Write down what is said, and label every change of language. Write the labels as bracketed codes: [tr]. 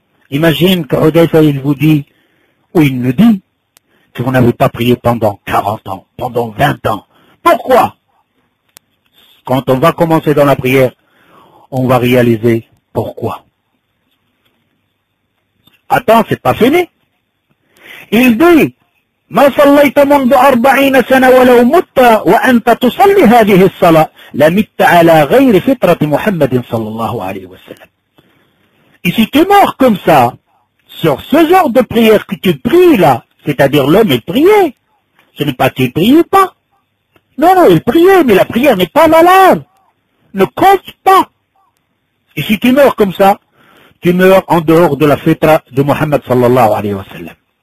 [fr] Imagine que Hudaïfa, il vous dit, ou il nous dit, que vous n'avez pas prié pendant 40 ans, pendant 20 ans. Pourquoi? Quand on va commencer dans la prière, on va réaliser pourquoi. Attends, c'est pas fini. Il dit, [ar] ما صليت منذ 40 سنة ولو مت وأنت تصلي هذه الصلاة لمت على غير فطرة محمد صلى الله عليه وسلم. [fr] Et si tu meurs comme ça, sur ce genre de prière que tu pries là, c'est-à-dire l'homme est prié, ce n'est pas qu'il priait pas. Non, il priait, mais la prière n'est pas la leur. Ne compte pas. Et si tu meurs comme ça, tu meurs en dehors de la fitra de Muhammad sallallahu alayhi wa sallam.